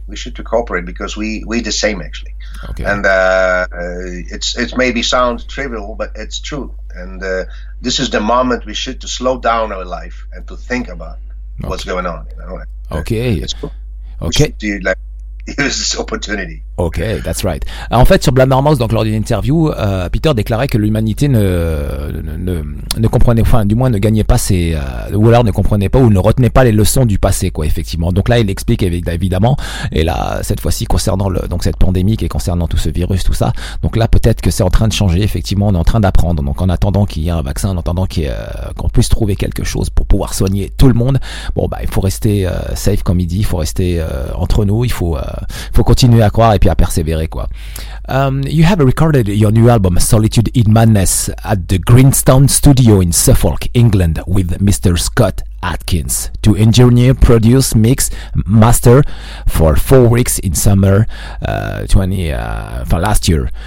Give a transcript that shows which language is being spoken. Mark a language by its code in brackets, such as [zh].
[en] We should to cooperate because we the same, actually. Okay. And it's maybe sound trivial, but it's true. And this is the moment we should to slow down our life and to think about what's going on. You know? Okay. It's cool. Okay. We should do, like, use this opportunity. Ok, that's right. [fr] En fait, sur Blammer Mouse, donc lors d'une interview, Peter déclarait que l'humanité ne comprenait, enfin, du moins, ne gagnait pas ses, ou alors ne comprenait pas ou ne retenait pas les leçons du passé, quoi, effectivement. Donc là, il explique évidemment, et là, cette fois-ci, concernant donc cette pandémie qui est concernant tout ce virus, tout ça. Donc là, peut-être que c'est en train de changer, effectivement, on est en train d'apprendre. Donc en attendant qu'il y ait un vaccin, en attendant qu'on puisse trouver quelque chose pour pouvoir soigner tout le monde, bon, bah, il faut rester safe, comme il dit, il faut rester entre nous, il faut continuer à croire. Et puis à persévérer quoi. [en] You have recorded your new album Solitude in Madness at the Greenstone Studio in Suffolk, England with Mr. Scott Adkins to engineer, produce, mix, master for 4 weeks in summer for last year.